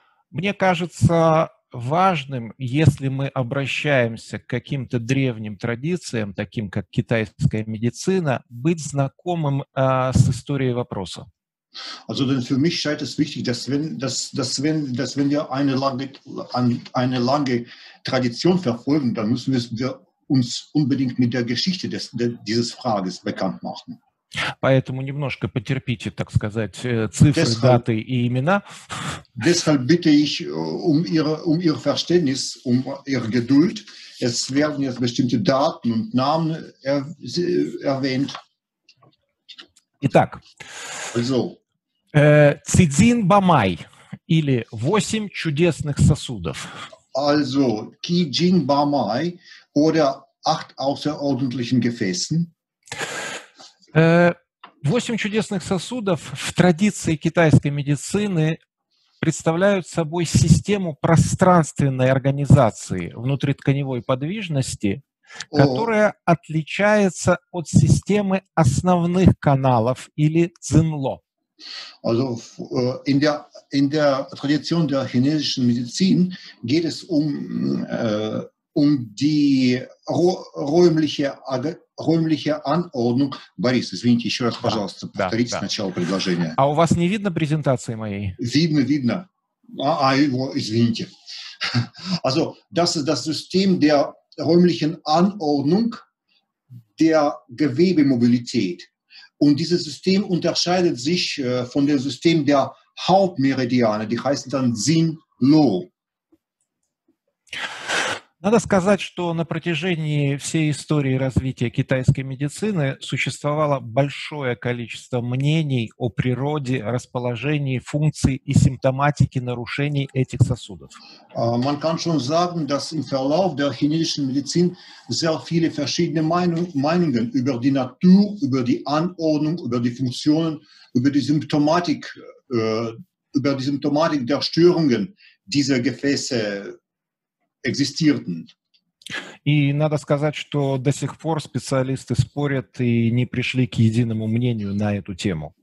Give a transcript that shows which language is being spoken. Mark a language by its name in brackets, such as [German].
[Russian] Мне кажется важным, если мы обращаемся к каким-то древним традициям, таким как китайская медицина, быть знакомым с историей вопроса. [German] Also denn für mich scheint es wichtig, dass wenn wir eine lange Tradition verfolgen, dann müssen wir uns unbedingt mit der Geschichte dieses Frages bekannt machen. [Russian] Поэтому немножко потерпите, так сказать, цифры, даты и имена. [German] Deshalb bitte ich um ihr Verständnis, um ihre Geduld. Es werden jetzt bestimmte Daten und Namen erwähnt. [Russian] Итак. [German] Also. [Russian] Цидзин Бамай, или 8 чудесных сосудов. [German] Also, Цидзин Бамай, oder 8 außerordentlichen Gefäßen. [Russian] 8 чудесных сосудов в традиции китайской медицины представляют собой систему пространственной организации внутритканевой подвижности, которая отличается от системы основных каналов или цзинло. [German] Also in der Tradition der chinesischen Medizin geht es um die räumliche Anordnung. [Russian] Борис, извините, еще раз, пожалуйста, повторите сначала предложение. А у вас не видно презентации моей? Видно, видно. Извините. [German] Also, das ist das System der räumlichen Anordnung der Gewebemobilität. Und dieses System unterscheidet sich von dem System der Hauptmeridiane, die heißen dann Xin-Lo. [Russian] Надо сказать, что на протяжении всей истории развития китайской медицины существовало большое количество мнений о природе, расположении, функции и симптоматике нарушений этих сосудов. [German] Man kann schon sagen, dass im Verlauf der chinesischen Medizin sehr viele verschiedene Meinungen über die Natur, über die Anordnung, über die Funktionen, über die Symptomatik der Störungen dieser Gefäße existierten. [Russian] И надо сказать, что до сих пор специалисты спорят и не пришли к единому мнению на эту тему.